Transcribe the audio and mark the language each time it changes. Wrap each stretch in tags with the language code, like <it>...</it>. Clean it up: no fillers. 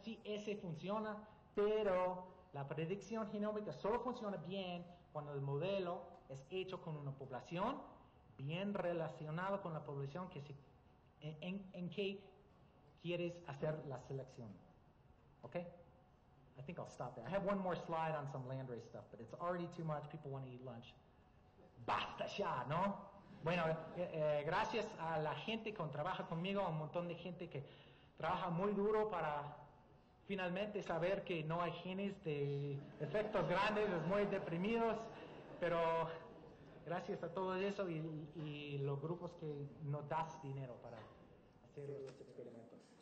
<es>Sí, ese funciona, pero la predicción genómica solo funciona bien cuando el modelo es hecho con una población bien relacionada con la población en que quieres hacer la selección.</es> <en>Okay? I think I'll stop there. I have one more slide on some land race stuff, but it's already too much. People want to eat lunch.</en> <es>Basta ya, ¿no? Bueno, gracias a la gente que trabaja conmigo, un montón de gente que trabaja muy duro para finalmente saber que no hay genes de efectos grandes, es muy deprimidos, pero gracias a todo eso y los grupos que nos das dinero para hacer los experimentos.</es>